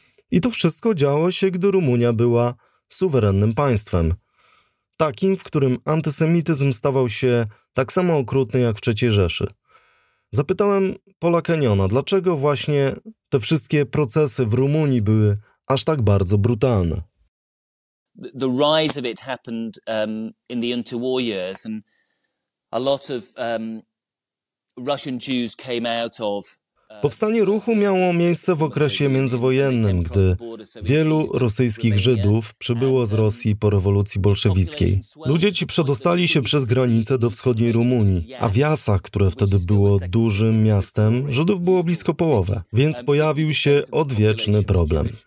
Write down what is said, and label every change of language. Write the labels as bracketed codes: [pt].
[pl] I to wszystko działo się, gdy Rumunia była suwerennym państwem. Takim, w którym antysemityzm stawał się tak samo okrutny jak w III Rzeszy. Zapytałem Pola Kenyona, dlaczego właśnie te wszystkie procesy w Rumunii były aż tak bardzo brutalne. [en] The rise of it happened in the interwar years, and a lot of Russian Jews came out of. [pl] Powstanie ruchu miało miejsce w okresie międzywojennym, gdy wielu rosyjskich Żydów przybyło z Rosji po rewolucji bolszewickiej. Ludzie ci przedostali się przez granicę do wschodniej Rumunii, a w Jasach, które wtedy było dużym miastem, Żydów było blisko połowę, więc pojawił się odwieczny problem.